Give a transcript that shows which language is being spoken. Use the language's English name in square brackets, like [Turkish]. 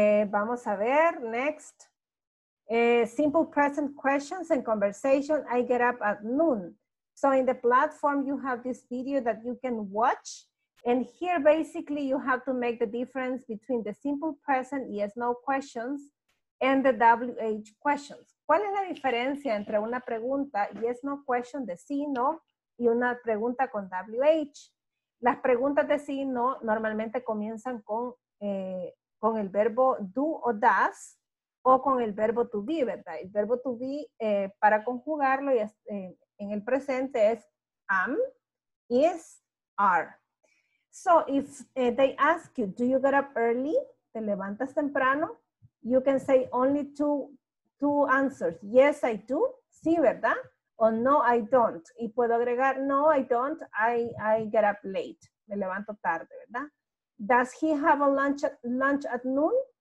[Spanish] Vamos a ver, [English] next. Simple present questions and conversation, I get up at noon. So in the platform, you have this video that you can watch. And here, basically, you have to make the difference between the simple present yes, no questions and the WH questions. [Spanish] ¿Cuál es la diferencia entre una pregunta yes, no question de sí, no? Y una pregunta con WH. Las preguntas de sí y no normalmente comienzan con el verbo do o does o con el verbo to be, ¿verdad? El verbo to be para conjugarlo y es, en el presente es am, is, are. [English] So if they ask you, do you get up early? [Spanish] ¿Te levantas temprano? [English] You can say only two answers. Yes, I do. [Spanish] Sí, ¿verdad? [English] O no, I don't. [Spanish] Y puedo agregar, [English] no, I don't. I get up late. [Spanish] Me levanto tarde, ¿verdad? [English] Does he have a lunch at noon?